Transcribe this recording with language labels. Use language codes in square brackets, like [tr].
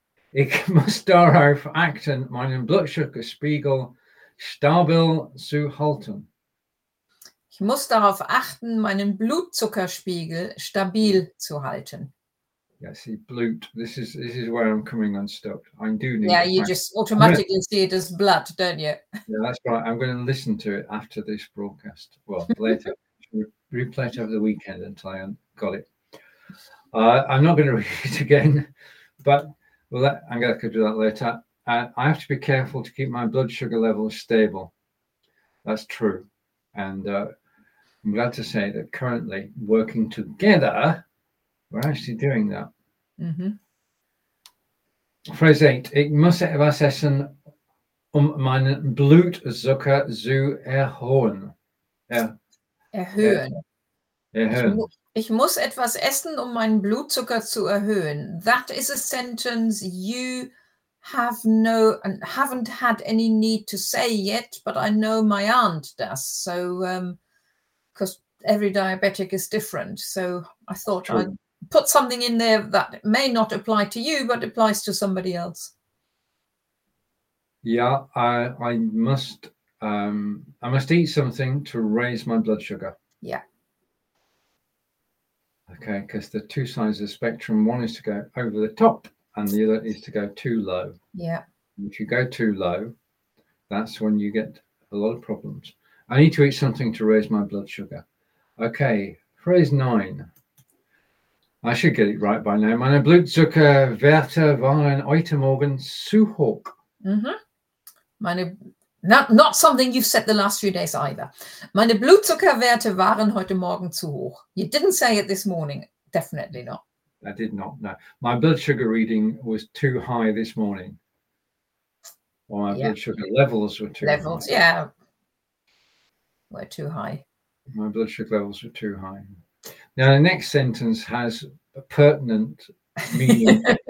[de] Ich muss darauf achten, meinen Blutzuckerspiegel stabil zu halten. Ich muss darauf achten, meinen Blutzuckerspiegel stabil zu halten. [en] Yeah, see, blut. This is where I'm coming unstuck. I do need. Yeah, you just automatically see it as blood, don't you? Yeah, that's right. I'm going to listen to it after this broadcast. Well, later, replay it over the weekend until I got it. I'm not going to read it again, but I'm going to do that later. I have to be careful to keep my blood sugar levels stable. That's true, and I'm glad to say that currently working together. We're actually doing that. Mm-hmm. Phrase 8. [de] Ich muss etwas essen, meinen Blutzucker zu erhöhen. Erhöhen. Ich muss etwas essen, meinen Blutzucker zu erhöhen. [en] That is a sentence you haven't had any need to say yet, but I know my aunt does. So, because every diabetic is different. So I thought I'd put something in there that may not apply to you, but applies to somebody else. Yeah, I must eat something to raise my blood sugar. Yeah. Okay, because the two sides of the spectrum, one is to go over the top and the other is to go too low. Yeah. If you go too low, that's when you get a lot of problems. I need to eat something to raise my blood sugar. Okay, phrase 9. I should get it right by now. [de] Meine Blutzucker Werte waren heute Morgen zu hoch. Mm-hmm. [en] Not something you've said the last few days either. [de] Meine Blutzucker Werte waren heute Morgen zu hoch. [en] You didn't say it this morning. Definitely not. I did not, no. My blood sugar reading was too high this morning. Or my blood sugar levels were too high. Levels, yeah. Were too high. My blood sugar levels were too high. Now, the next sentence has a pertinent meaning.